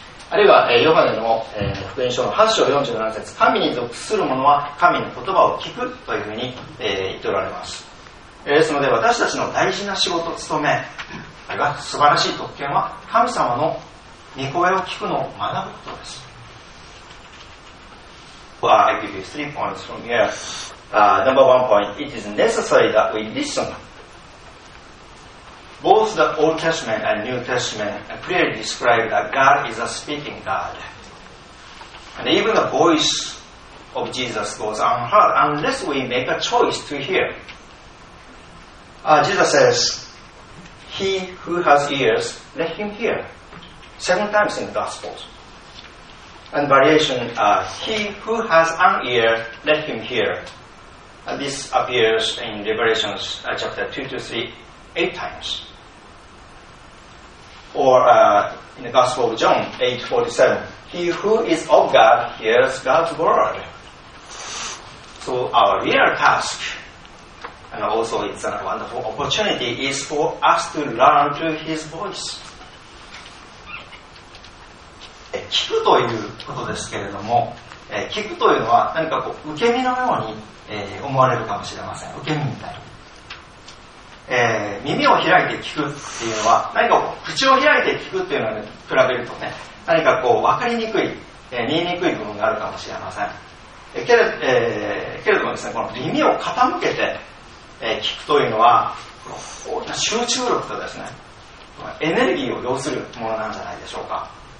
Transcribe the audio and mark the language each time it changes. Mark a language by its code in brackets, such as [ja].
[ja] あるいはヨハネの福音書の8章47節、神に属する者は神の言葉を聞くというふうに言っておられます。ですので私たちの大事な仕事務め、あるいは素晴らしい特権は神様の御声を聞くのを学ぶことです。 [en] Well, I give you three points from here. Number one point, it is necessary that we listen. Both the Old Testament and New Testament clearly describe that God is a speaking God. And even the voice of Jesus goes unheard unless we make a choice to hear. Jesus says, He who has ears, let him hear. Seven times in the Gospels. And variation, He who has an ear, let him hear. This appears in Revelation chapter 2 to 3, eight times. Or in the Gospel of John 8:47, He who is of God hears God's word. So our real task, and also it's a wonderful opportunity, is for us to learn to His voice. [ja] 聞くということですけれども、聞くというのは何かこう受け身のように、思われるかもしれません。受け身みたいに、耳を開いて聞くっていうのは何かこう口を開いて聞くっていうのに比べるとね、何かこう分かりにくい、見えにくい部分があるかもしれません、けれどもですね、この耳を傾けて、聞くというのはこういった集中力とですね、このエネルギーを要するものなんじゃないでしょうか。